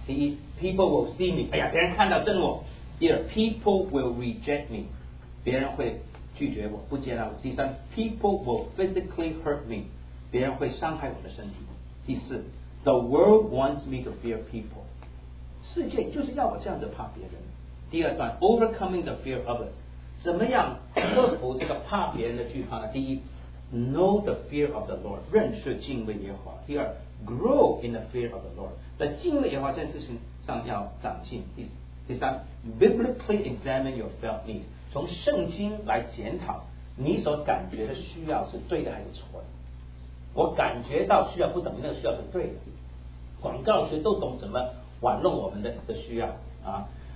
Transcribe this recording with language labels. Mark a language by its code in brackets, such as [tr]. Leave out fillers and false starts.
[zh] 第一 ， [en] people will see me， [zh] 哎呀，别人看到真我。第二 ， [en] people will reject me， [zh] 别人会拒绝我，不接纳我。第三 ， [en] people will physically hurt me， [zh] 别人会伤害我的身体。第四 ， [en] the world wants me to fear people， [zh] 世界就是要我这样子怕别人。第二段 ， [en] overcoming the fear of others， [zh] 怎么样克服这个怕别人的惧怕呢？第一 [en] ，know the fear of the Lord， [zh] 认识敬畏耶和华。第二 [en] Grow in the fear of the Lord， [zh] 在敬畏耶和华这件事情上要长进。第三 ， [en] biblically examine your felt needs， [zh] 从圣经来检讨你所感觉的需要是对的还是错的。我感觉到需要不等于那个需要是对的。广告学都懂怎么玩弄我们的需要啊！